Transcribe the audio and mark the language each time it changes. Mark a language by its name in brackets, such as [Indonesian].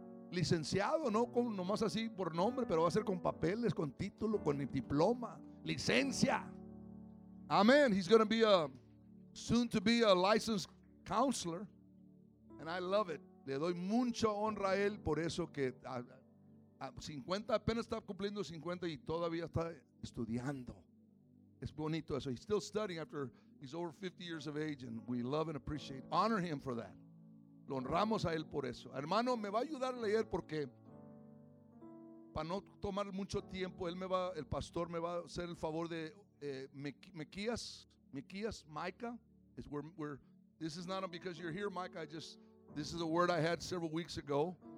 [Spanish] Licenciado, no con, nomás así por nombre, pero va a ser con papeles, con título, con diploma. Licencia. Amén. [English] He's going to be soon to be a licensed counselor, and I love it. [Spanish] Le doy mucha honra a él por eso que a 50, apenas está cumpliendo 50 y todavía está estudiando. Es bonito eso. [English] He's still studying after he's over 50 years of age, and we love and appreciate, honor him for that. [Spanish] Lo honramos a él por eso. Hermano, me va a ayudar a leer porque para no tomar mucho tiempo, el pastor me va a hacer el favor de Miquías, Micah. [English] Is we're This is not because you're here, Mike. This is a word I had several weeks ago.